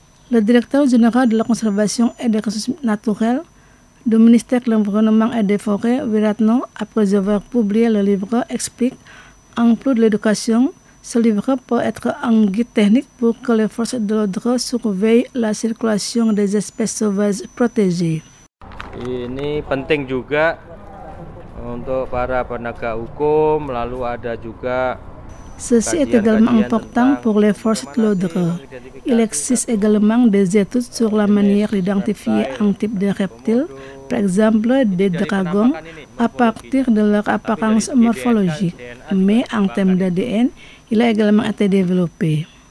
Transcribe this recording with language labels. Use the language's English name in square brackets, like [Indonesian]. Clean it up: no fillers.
[French] Le directeur général de la conservation et des ressources naturelles du ministère de l'Environnement et des Forêts, Wiratno, après avoir publié le livre, explique, en plus de l'éducation, ce livre peut être un guide technique pour que les forces de l'ordre surveillent la circulation des espèces sauvages protégées. [Indonesian] Ini penting juga untuk para penegak hukum, lalu ada juga. [French] Ceci est également important pour les forces de l'ordre. Il existe également des études sur la manière d'identifier un type de reptile, par exemple des dragons, à partir de leur apparence morphologique. Mais en termes d'ADN, il a également été développé.